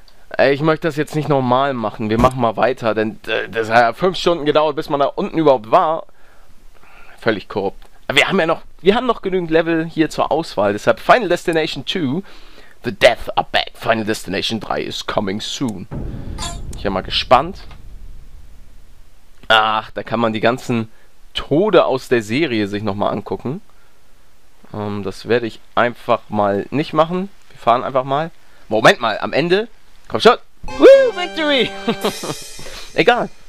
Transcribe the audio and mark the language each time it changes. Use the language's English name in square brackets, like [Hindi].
[German] Ey, ich möchte das jetzt nicht normal machen. Wir machen mal weiter, denn das hat ja 5 Stunden gedauert, bis man da unten überhaupt war. Völlig korrupt. Wir haben noch genügend Level hier zur Auswahl. [English] Deshalb Final Destination 2. The Death are back. Final Destination 3 is coming soon. [German] Ich bin mal gespannt. Ach, da kann man die ganzen Tode aus der Serie sich nochmal angucken. Das werde ich einfach mal nicht machen. Wir fahren einfach mal. Moment mal, am Ende... Komm schon! Woo, Victory! Egal.